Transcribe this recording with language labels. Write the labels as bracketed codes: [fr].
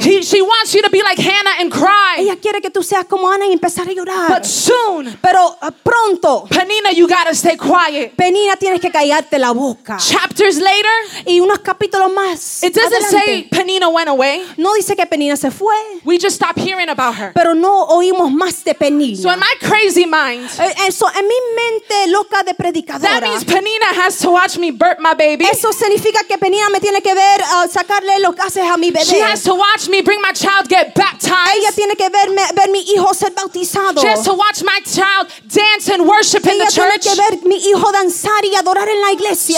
[en] She wants you to be like Hannah and cry. [es] Ella quiere que tú seas como Ana y empezar a llorar. [en] But soon. [es] Pero pronto. [en] Penina, you gotta stay quiet. [es] Penina, tienes que callarte la boca. [en] Chapters later, [es] y unos capítulos más. [en] It doesn't [es] adelante, [en] say Penina went away. [es] No dice que Penina se fue. [en] We just stopped hearing about her. [es] Pero no oímos más de Penina. [en] So in my crazy mind, [es] eso en mi mente loca de predicadora. [en] That means Penina has to watch me burp my baby. [es] Eso significa que Penina me tiene que ver sacarle los gases a mi bebé. [en] She has to watch me bring my child get baptized. [es] Ella tiene que ver mi hijo ser bautizado. [en] She has to watch my child dance and worship [es] ella [en] in the church. [es] Ella tiene que ver mi hijo danzar y adorar en la iglesia.